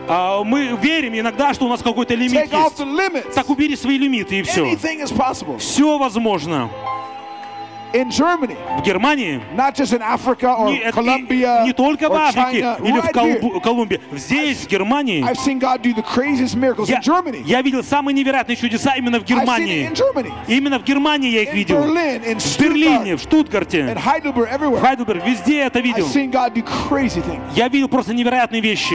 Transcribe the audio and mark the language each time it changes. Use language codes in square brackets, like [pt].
[ru] Мы верим иногда, что у нас какой-то лимит. [en] Take Off the limits. [ru] Так убери свои лимиты, и все. [en] Anything is possible. [ru] Все возможно. [en] In Germany, [ru] в Германии, [en] not just in Africa or Colombia, [ru] не только в Африке [en] China, [ru] или [en] right [ru] в Колумбии, здесь, в Германии, [en] I've seen God do the craziest miracles in Germany. [ru] Я видел самые невероятные чудеса именно в Германии. [en] I've seen it in Germany. [ru] Именно в Германии я их видел. [en] Berlin, in [ru] в Берлине, в Штутгарте, [en] in Heidelberg, everywhere. [ru] Heidelberg, везде я это видел. [en] I've seen God do crazy things. [ru] Я видел просто невероятные вещи.